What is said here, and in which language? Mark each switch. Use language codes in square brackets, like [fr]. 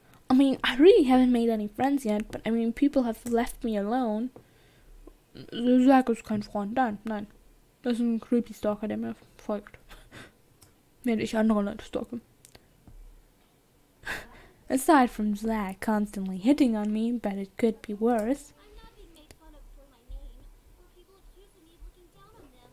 [en] I mean, I really haven't made any friends yet, but I mean, people have left me alone. [de] Zack ist kein Freund, nein. Das ist ein creepy Stalker, der mir folgt. Werde ich andere Leute stalken. [en] Aside from Zack constantly hitting on me, but it could be worse. I'm not being made fun of for my name, or people accusing me of looking down on them.